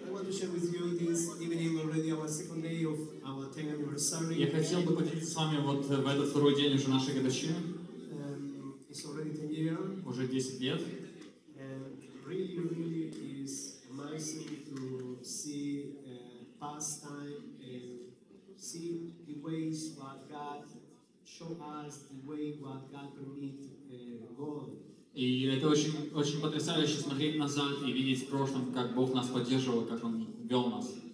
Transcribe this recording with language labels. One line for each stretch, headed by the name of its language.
English: Share with you this evening already our second day of our 10th anniversary.
Russian: Я хотел бы поделиться с вами вот в этот второй день уже нашей годовщины.
English: It's already 10 years.
Russian: Уже 10 лет.
English: Really is amazing to see past time and see the ways what God show us, the way what God permit go.
Russian: И это очень, очень потрясающе смотреть назад и видеть в прошлом, как Бог нас поддерживал, как Он вел нас.